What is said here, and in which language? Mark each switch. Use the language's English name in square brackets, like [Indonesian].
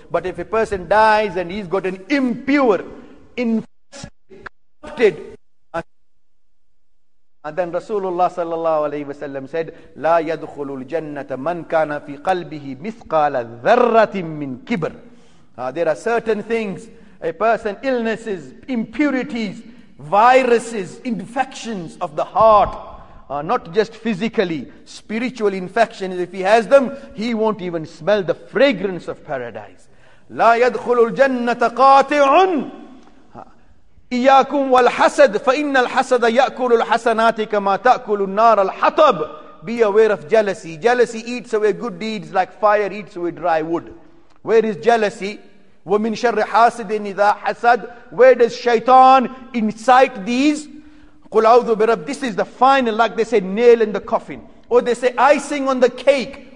[English] But if a person dies and he's got an impure, infested, corrupted, and then Rasulullah sallallahu alayhi wa sallam said, [Arabic] لا يدخل الجنة من كان في قلبه مثقال ذرة من كبر. [English] There are certain things, a person, illnesses, impurities, viruses, infections of the heart, not just physically, spiritual infections, if he has them, he won't even smell the fragrance of paradise. [Arabic] لا يدخل الجنة قاطع إياكم والحسد فإن الحسد يأكل الحسنات كما تأكل النار الحطب. [English] Be aware of jealousy. Jealousy eats away good deeds like fire eats away dry wood. Where is jealousy? [Arabic] ومن شر حاسد إذا حسد. [English] Where does shaitan incite these? [Arabic] قل أعوذ برب. [English] This is the final, like they say, nail in the coffin. Or they say icing on the cake.